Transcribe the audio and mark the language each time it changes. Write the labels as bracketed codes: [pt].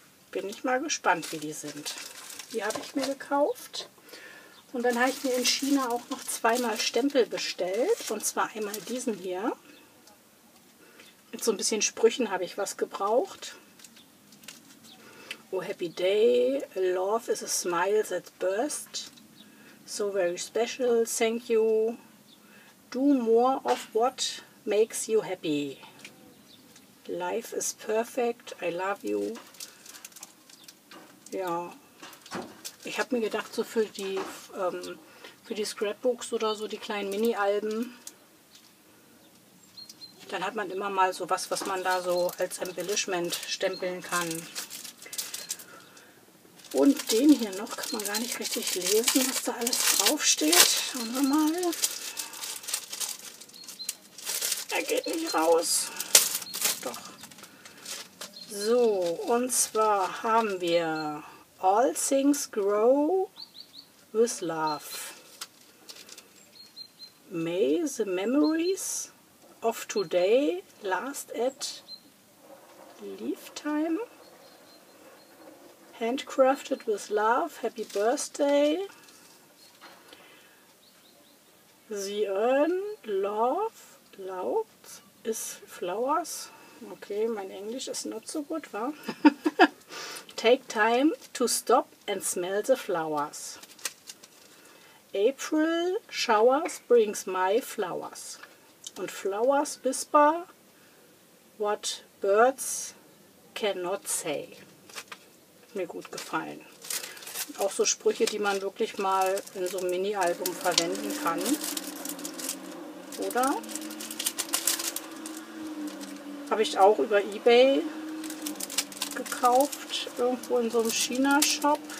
[de] Bin ich mal gespannt, wie die sind. Die habe ich mir gekauft. Und dann habe ich mir in China auch noch zweimal Stempel bestellt. Und zwar einmal diesen hier. Mit so ein bisschen Sprüchen habe ich was gebraucht. [en] Oh, happy day. Love is a smile that bursts. So very special. Thank you. Do more of what makes you happy. Life is perfect. I love you. Ja. [de] Ich habe mir gedacht, so für die Scrapbooks oder so, die kleinen Mini-Alben, dann hat man immer mal so was, was man da so als Embellishment stempeln kann. Und den hier noch, kann man gar nicht richtig lesen, was da alles draufsteht. Schauen wir mal. Er geht nicht raus. Doch. So, und zwar haben wir [en] All things grow with love. May the memories of today last at lifetime. Handcrafted with love. Happy birthday. The urn love loved is flowers. [de] Okay, mein Englisch ist [en] not so [de] gut, wa? [en] Take time to stop and smell the flowers. April showers brings my flowers. And flowers whisper what birds cannot say. [de] Mir gut gefallen. Auch so Sprüche, die man wirklich mal in so einem Mini-Album verwenden kann. Oder? Habe ich auch über eBay gekauft, irgendwo in so einem China-Shop.